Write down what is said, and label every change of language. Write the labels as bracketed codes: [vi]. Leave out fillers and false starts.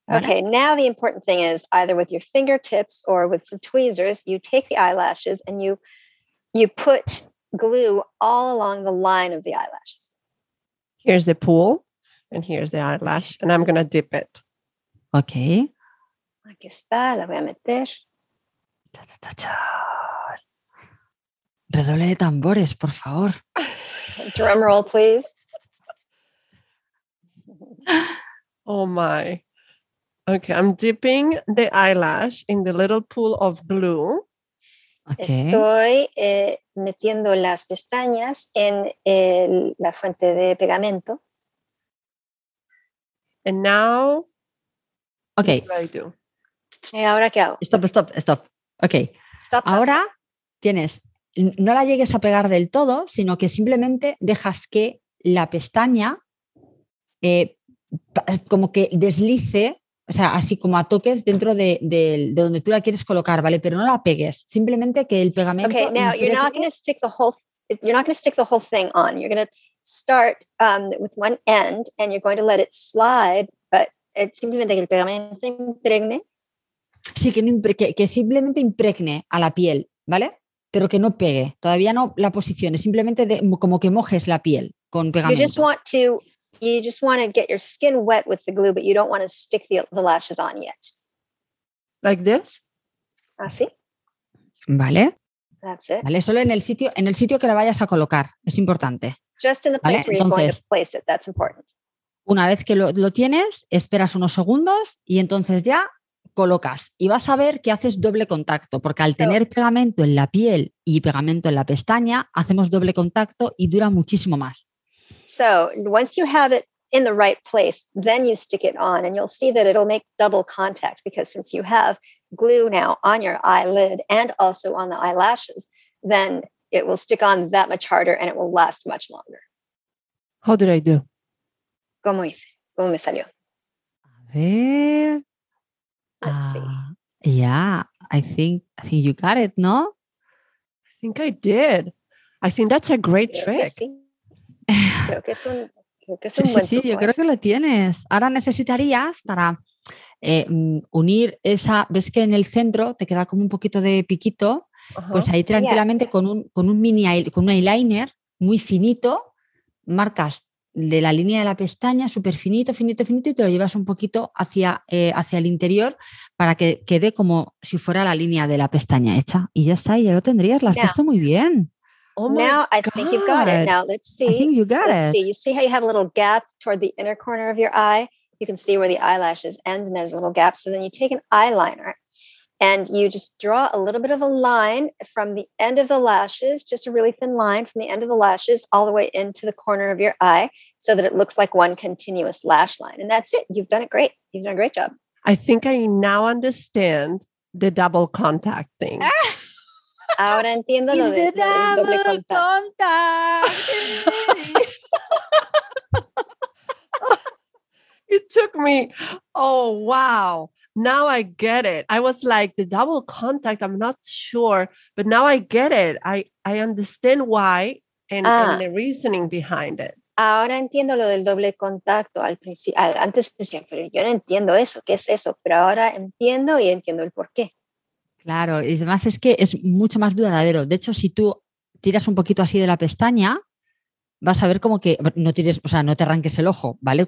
[es] ¿Vale? [en] Okay, now the important thing is either with your fingertips or with some tweezers, you take the eyelashes and you put glue all along the line of the eyelashes. Here's the pool. And here's the eyelash, and I'm going to dip it. Okay. [es] Aquí está, la voy a meter. Redoble de tambores, por favor. [en] Drum roll, please. Oh, my. Okay, I'm dipping the eyelash in the little pool of glue. Okay. [es] Estoy metiendo las pestañas en la fuente de pegamento. [en] And now, okay. What do I do? ¿Y ahora qué hago? Stop. Okay. Stop. [es] Ahora tienes, no la llegues a pegar del todo, sino que simplemente dejas que la pestaña como que deslice O sea, así como a toques dentro de donde tú la quieres colocar, ¿vale? Pero no la pegues. Simplemente que el pegamento... [en] Okay, now you're not going to stick the whole... You're not going to stick the whole thing on. You're going to start with one end and you're going to let it slide, but it's [es] simplemente que el pegamento impregne. Sí, que simplemente impregne a la piel, ¿vale? Pero que no pegue. Todavía no la posicione. Simplemente como que mojes la piel con pegamento. [en] You just want to... You just want to get your skin wet with the glue, but you don't want to stick the lashes on yet. Like this? [es] Así. Vale. [en] That's it. [es] Vale, solo en el sitio que la vayas a colocar. Es importante. [en] Just in the place, ¿vale?, where you're going to place it. That's important. [es] Una vez que lo tienes, esperas unos segundos y entonces ya colocas. Y vas a ver que haces doble contacto, porque al tener pegamento en la piel y pegamento en la pestaña, hacemos doble contacto y dura muchísimo más. [en] So once you have it in the right place, then you stick it on and you'll see that it'll make double contact because since you have glue now on your eyelid and also on the eyelashes, then it will stick on that much harder and it will last much longer. How did I do? [es] ¿Cómo hice? ¿Cómo me salió? A ver. [en] Let's see. Yeah, I think you got it, no? I think I did. I think that's a great trick. [es] Creo que es un buen truco. Yo creo que lo tienes. Ahora necesitarías para unir esa, ves que en el centro te queda como un poquito de piquito, pues ahí tranquilamente con un eyeliner muy finito, marcas de la línea de la pestaña súper finito, finito, finito y te lo llevas un poquito hacia el interior para que quede como si fuera la línea de la pestaña hecha. Y ya está, ya lo tendrías, lo has puesto muy bien. [en] Now I think you've got it. You see how you have a little gap toward the inner corner of your eye? You can see where the eyelashes end and there's a little gap. So then you take an eyeliner and you just draw a little bit of a line from the end of the lashes, just a really thin line from the end of the lashes all the way into the corner of your eye so that it looks like one continuous lash line. And that's it. You've done it great. You've done a great job. I think I now understand the double contact thing. [es] Ahora entiendo lo de doble [en] contact. It took me. Oh, wow. Now I get it. I was like, the double contact, I'm not sure. But now I get it. I understand why and the reasoning behind it. [es] Ahora entiendo lo del doble contacto. Al principio, antes decía, pero yo no entiendo eso. ¿Qué es eso? Pero ahora entiendo y entiendo el porqué. Claro, y además es que es mucho más duradero. De hecho, si tú tiras un poquito así de la pestaña, vas a ver como que no tires, o sea, no te arranques el ojo, ¿vale?